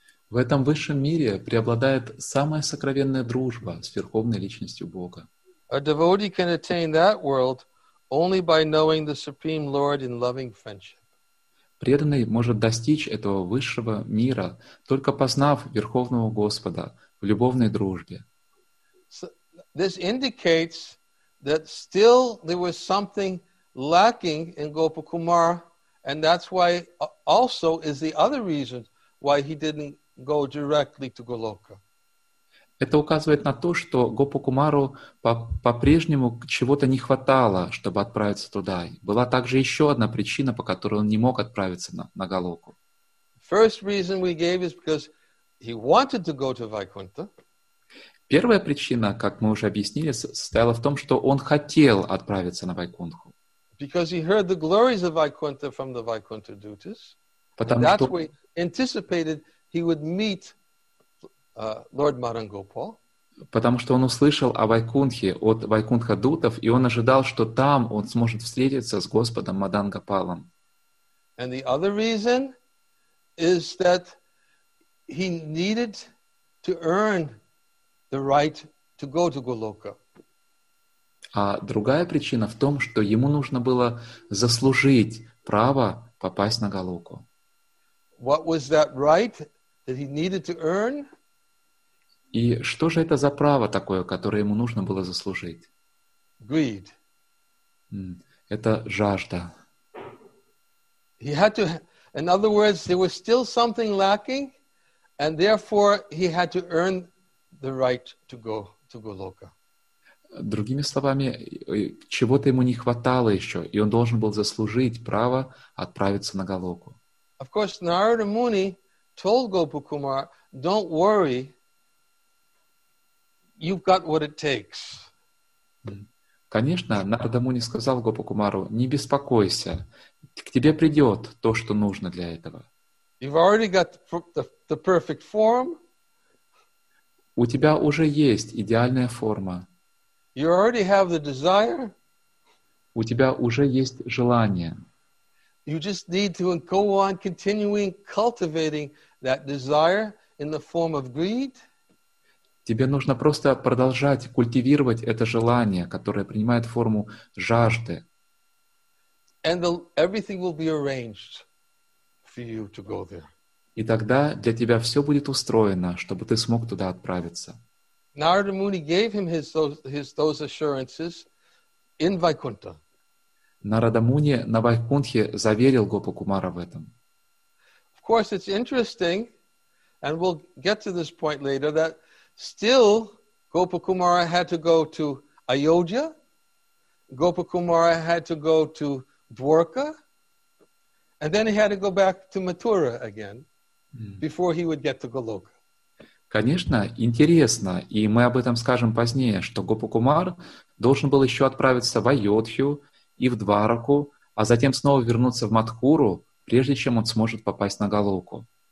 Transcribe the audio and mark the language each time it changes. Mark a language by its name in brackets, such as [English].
[Russian] В этом высшем мире преобладает самая сокровенная дружба с Верховной Личностью Бога. [English] A devotee can attain that world only by knowing the Supreme Lord in loving friendship. [Russian] Преданный может достичь этого высшего мира, только познав Верховного Господа в любовной дружбе. [English] This indicates that still there was something lacking in Gopakumara, and that's why also is the other reason why he didn't go directly to Goloka. [Russian] Это указывает на то, что Гопакумару по-прежнему чего-то не хватало, чтобы отправиться туда. Была также еще одна причина, по которой он не мог отправиться на Голоку. [English] First reason we gave is because he wanted to go to Vaikuntha. [Russian] Первая причина, как мы уже объяснили, состояла в том, что он хотел отправиться на Вайкунху. [English] Because he heard the glories of Vaikuntha from the Vaikuntha Dutas. [Russian] Потому [English] that's why he anticipated he would meet Lord Marangopal. [Russian] Потому что он услышал о Вайкунхе от Вайкунха Дутов, и он ожидал, что там он сможет встретиться с Господом Мадангопалом. [English] And the other reason is that he needed to earn the right to go to Goloka. [Russian] А другая причина в том, что ему нужно было заслужить право попасть на Голоку. [English] What was that right that he needed to earn? [Russian] И что же это за право такое, которое ему нужно было заслужить? [English] Greed. [Russian] Это жажда. [English] He had to, in other words, there was still something lacking, and therefore he had to earn the right to go to Goloka. [Russian] Другими словами, чего-то ему не хватало еще, и он должен был заслужить право отправиться на Голоку. [English] Of course, Narada Muni told Gopakumara, "Don't worry, you've got what it takes." [Russian] Конечно, Нарада Муни сказал Гопакумару, "Не беспокойся, к тебе придет то, что нужно для этого." [English] You've already got the perfect form. [Russian] У тебя уже есть идеальная форма. [English] You already have the desire. [Russian] У тебя уже есть желание. [English] You just need to go on continuing cultivating that desire in the form of greed. [Russian] Тебе нужно просто продолжать культивировать это желание, которое принимает форму жажды. [English] And everything will be arranged for you to go there. [Russian] И тогда для тебя все будет устроено, чтобы ты смог туда отправиться. [English] Narada Muni gave him those assurances in Vaikuntha. [Russian] Narada Muni на Вайкунтхе заверил Гопакумара в этом. [English] Of course, it's interesting, and we'll get to this point later, that still Gopakumara had to go to Ayodhya, Gopakumara had to go to Dwarka, and then he had to go back to Mathura again. Before he would get to Goloka. [Russian] Конечно, интересно, и мы об этом скажем позднее, что Гопакумар должен был еще отправиться в Айодхью и в Двараку, а затем снова вернуться в Матхуру, прежде чем он сможет попасть на Голоку.